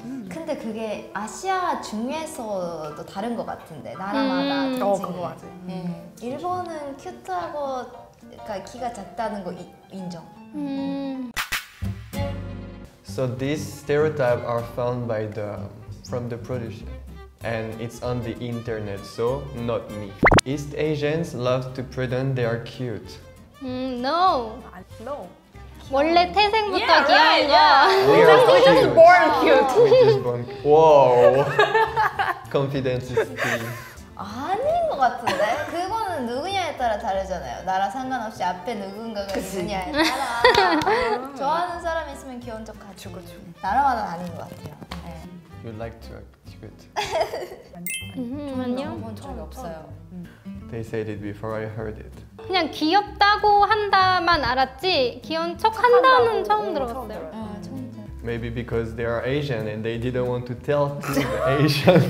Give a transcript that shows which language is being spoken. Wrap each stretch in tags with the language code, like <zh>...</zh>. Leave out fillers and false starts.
<ko>근데 그게 아시아 중에서도 다른 것 같은데 나라마다 그거 맞아. 일본은 큐트하고 그러니까 키가 작다는 거 인정.</ko> <en>So these stereotypes are found by the from the producer, and it's on the internet. So not me. East Asians love to pretend they are cute. No.</en> <ko>원래 태생부터 귀여운 거.</ko> <en>We are just born cute. We just born. Wow. Confidence is key.</en> <ko>아닌 것 같은데? 그거는 누구냐에 따라 다르잖아요. 나라 상관없이 앞에 누군가가 있느냐에 따라. 좋아하는 사람 있으면 귀여운 척 같지. 그렇죠. 나라마다 아닌 것 같아요. 네.</ko> <en>You like to act cute.</en> <ko>아니요. 저는 그런 적이 없어요.</ko> <en>They said it before I heard it.</en> <ko>그냥 귀엽다고 한다만 알았지 귀여운 척 한다는 처음 들어봤어요.</ko> <en>Maybe because they are Asian and they didn't want to tell to the Asian.</en>